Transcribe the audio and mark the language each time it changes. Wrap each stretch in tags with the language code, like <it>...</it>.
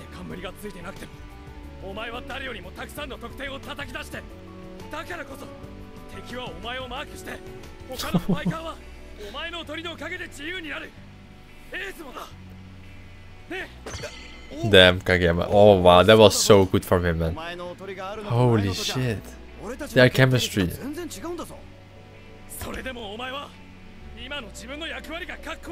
<ja>無理がついてなくてもお前は誰よりもたくさんの得点を叩き出して、だからこそ敵はお前をマークして、他のスパイカーはお前の砦のおかげで自由になる。エースもだね。</ja> <en>Damn Kageyama. Oh wow, that was so good from him, man. Holy shit. Their chemistry.</en> <ja>全然違うんだぞ。それでもお前は今の自分の役割がかっこ</ja>